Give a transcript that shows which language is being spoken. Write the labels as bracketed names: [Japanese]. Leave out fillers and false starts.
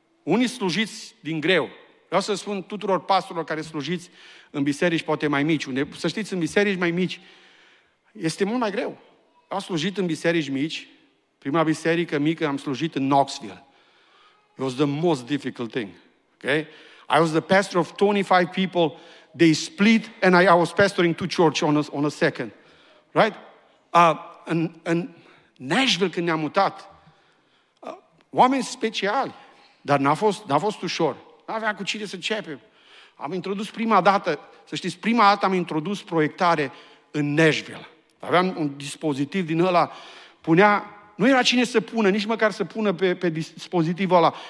[Romanian] Unii slujiți din greu. Vreau să spun tuturor pastorilor care slujiți în biserici poate mai mici, unde, să știți, în biserici mai mici, este mult mai greu. Am slujit în biserici mici, prima biserică mică am slujit în Knoxville. [English] It was the most difficult thing. Okay? I was the pastor of 25 people, they split, and I was pastoring 2 churches on a second. Right? [Romanian] În Nashville, când ne-am mutat, oameni speciali, dar n-a fost ușor. N-avea cu cine să începem. Am introdus prima dată, să știți, prima dată am introdus proiectare în Nashville. Aveam un dispozitiv din ăla, punea, nu era cine să pună, nici măcar să pună pe dispozitivul ăla.